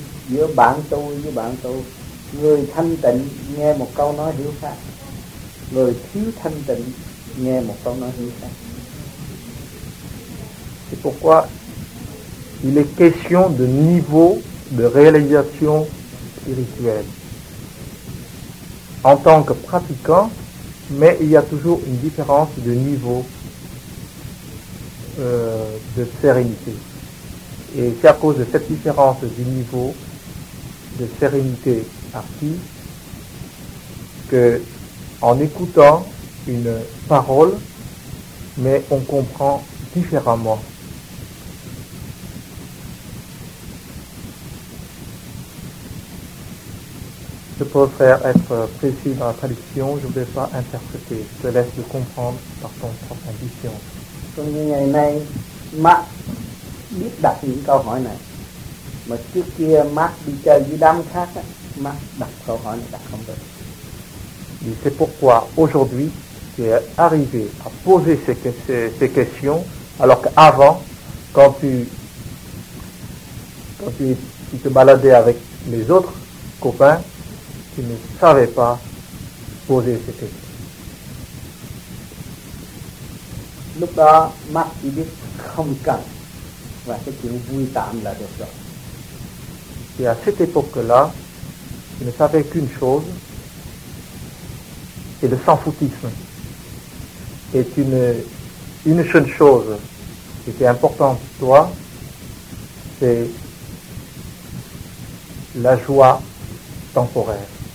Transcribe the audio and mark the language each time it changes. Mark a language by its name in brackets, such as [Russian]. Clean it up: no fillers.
[Vietnamese] Giữa bạn tôi với bạn tôi, người thanh tịnh nghe một câu nói hiểu khác, người thiếu thanh tịnh nghe một câu nói hiểu khác. [French] C'est pourquoi il est question de niveau de réalisation spirituelle en tant que pratiquant, mais il y a toujours une différence de niveau de sérénité. Et c'est à cause de cette différence du niveau de sérénité acquis que, en écoutant une parole, mais on comprend différemment. Je préfère être précis dans la traduction, je ne vais pas interpréter. Je te laisse le comprendre par ton propre intuition. Comme [Vietnamese] ngày nay, Marc biết đặt những câu hỏi này. Mà trước kia Marc đi chơi với đám khác, Marc đặt câu hỏi này đặt không được. [French] Et c'est pourquoi aujourd'hui, tu es arrivé à poser ces questions, alors qu'avant, quand tu te baladais avec les autres copains, tu ne savais pas poser ces questions. [Vietnamese] Lúc đó, Marc chỉ biết không cần, và cái chuyện vui tạm là được rồi. [French] Et à cette époque-là, tu ne savais qu'une chose, et le sans-foutisme. Est une seule chose qui était importante pour toi, c'est la joie temporaire.